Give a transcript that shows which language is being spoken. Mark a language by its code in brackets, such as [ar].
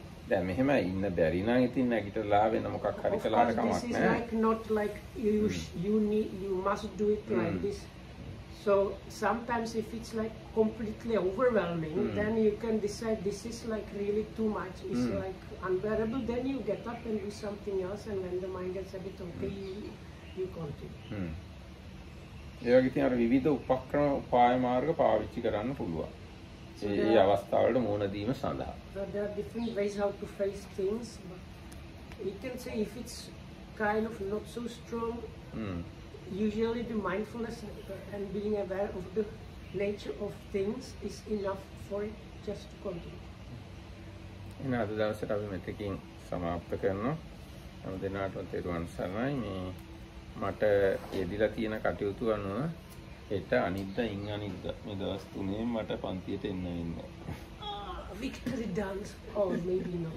[si] දැන් මෙහෙම ඉන්න බැරි නම් ඉතින් නැගිටලා වෙන මොකක් හරි කළාට කමක් නැහැ. [en] This is like not like you need, you must do it like this. So sometimes if it's like completely overwhelming, then you can decide this is like really too much, it's like unbearable, then you get up and do something else, and when the mind gets a bit okay, you continue. [si] ඒ වගේ තියෙන විවිධ උපක්‍රම උපාය මාර්ග පාවිච්චි කරන්න පුළුවන්. ඒ අවස්ථාවලට මුහුණ දීම සඳහා [en] there are different ways how to face things, but you can say if it's kind of not so strong, usually the mindfulness and being aware of the nature of things is enough for it just to continue. [si] අද දවසට අපි මෙතකින් සමාප්ත කරනවා. හැම දිනකටම තෙරුවන් සරණයි. මේ මට යෙදිලා තියෙන කටයුතු අනුව එත අනිද්දා ඉන් අනිද්දා මේ දවස් තුනේ මට පන්තියට එන්න ඉන්න. [en] Victory dance or maybe not.